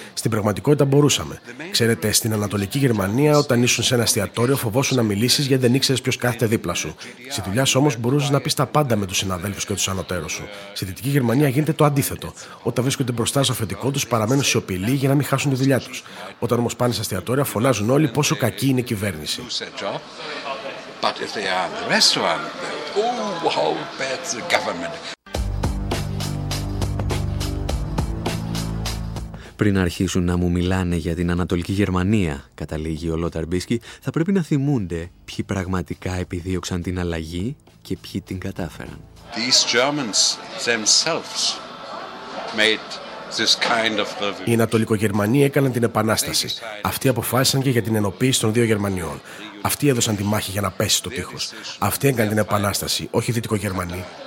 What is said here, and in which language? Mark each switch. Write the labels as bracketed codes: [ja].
[el] Στην πραγματικότητα μπορούσαμε. Ξέρετε, στην Ανατολική Γερμανία, όταν ήσουν σε ένα εστιατόριο, φοβόσουν να μιλήσεις γιατί δεν ήξερες ποιος κάθεται δίπλα σου. Στη δουλειά σου όμως μπορούσες να πεις τα πάντα με τους συναδέλφους και τους ανωτέρους σου. Στη Δυτική Γερμανία γίνεται το αντίθετο. Όταν βρίσκονται μπροστά στο αφεντικό τους, παραμένουν σιωπηλοί για να μην χάσουν τη δουλειά τους. Όταν όμως πάνε σε εστιατόρια, φωνάζουν όλοι πόσο κακή είναι η κυβέρνηση. [en] But if they are in the restaurant, oh, how bad the government. [el] Πριν αρχίσουν να μου μιλάνε για την Ανατολική Γερμανία, καταλήγει ο Λόταρ Μπίσκι, θα πρέπει να θυμούνται ποιοι πραγματικά επιδίωξαν την αλλαγή και ποιοι την κατάφεραν. [en] These Germans themselves made. [el] Οι Ανατολικογερμανοί έκαναν την επανάσταση. Αυτοί αποφάσισαν και για την ενοποίηση των δύο Γερμανιών. Αυτοί έδωσαν τη μάχη για να πέσει το τείχος. Αυτοί έκαναν την επανάσταση, όχι οι Δυτικογερμανοί.